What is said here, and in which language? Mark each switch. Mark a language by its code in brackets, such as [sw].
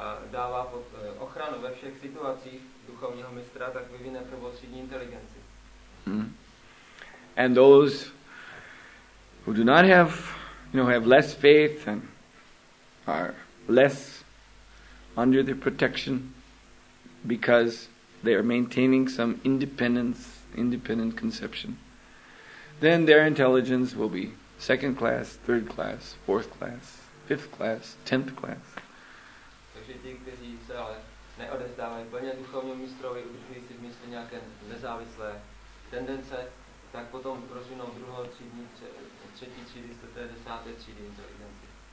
[cs] Dává pod ochranu ve všech situacích duchovního mistra, tak vyvine prvotřídní inteligenci. [en] And those who do not have, you know, have less faith and are less under the protection because they are maintaining some independent conception, then their intelligence will be second class, third class, fourth class, fifth class, tenth class. [cs] Ti, kteří se ale neodevzdávají plně duchovnímu mistrovi, udržují si v mysli nějaké nezávislé tendence, tak potom rozvinou druhou třídní, třetí třídy, čtvrté, desáté třídy inteligenci.